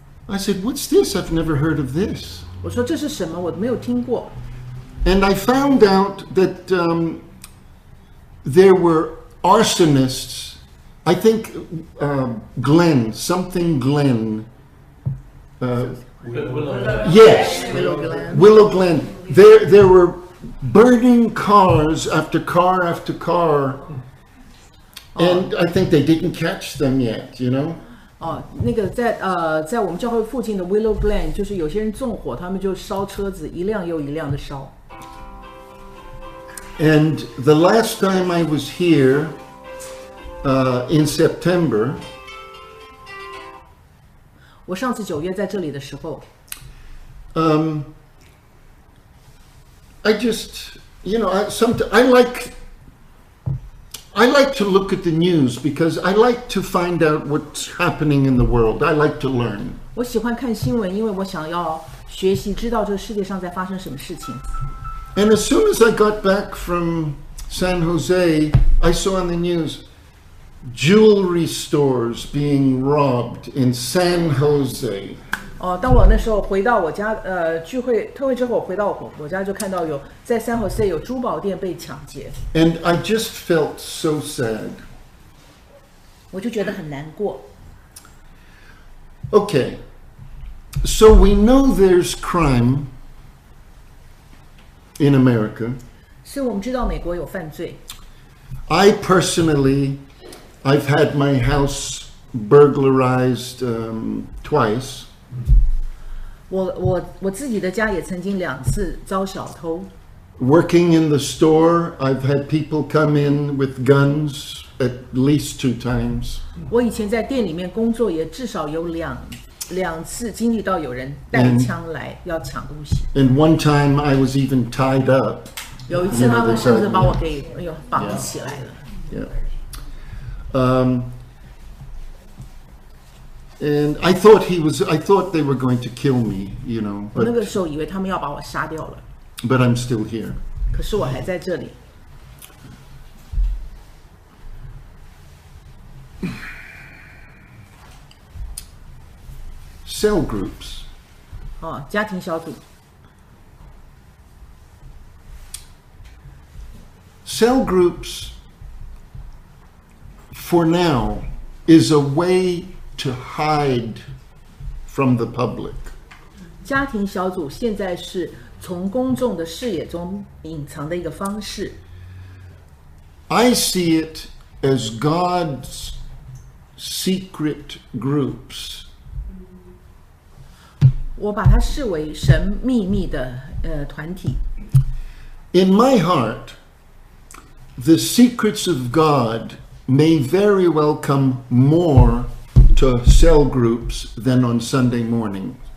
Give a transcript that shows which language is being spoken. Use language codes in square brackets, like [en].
[en] I said, "What's this? I've never heard of this." [zh] 我说这是什么？我没有听过。 [en] And I found out that there were arsonists. I think Glenn, something Glenn. Willow Glen. There were burning cars after car after car, and I think they didn't catch them yet. You know. [zh] 那个在我们教会附近的 Willow Glen, 就是有些人纵火，他们就烧车子，一辆又一辆的烧。 [en] And the last time I was here, in September. [zh] 我上次九月在这里的时候。 [en] I just, you know, I like to look at the news because I like to find out what's happening in the world. I like to learn. [zh] 我喜欢看新闻，因为我想要学习，知道这个世界上在发生什么事情。 [en] And as soon as I got back from San Jose, I saw on the news jewelry stores being robbed in San Jose. [zh] 当我那时候回到我家，聚会特会之后，我回到我家就看到有在San Jose有珠宝店被抢劫。 [en] And I just felt so sad. [zh] 我就觉得很难过。 [en] Okay, so we know there's crime. in America. [zh] 所以我们知道美国有犯罪。 [en] I personally, I've had my house burglarized twice. [zh] 我自己的家也曾经两次遭小偷。 [en] Working in the store, I've had people come in with guns at least two times. [zh] 我以前在店里面工作也至少有两次经历到有人带枪来要抢东西。 [en] And one time I was even tied up. [zh] 有一次他们甚至把我给哎呦绑起来了。 [en] And I thought he was, I thought they were going to kill me, you know. But, [zh] 我那个时候以为他们要把我杀掉了。 [en] But I'm still here. [zh] 可是我还在这里。 [en] Cell groups. [zh] 哦，家庭小组。 [en] Cell groups, for now, is a way to hide from the public. [zh] 家庭小组现在是从公众的视野中隐藏的一个方式。 [en] I see it as God's secret groups. [zh] 我把它视为神秘密的团体。 [en] In my heart,The secrets of God may very well come more to cell groups than on Sunday morning.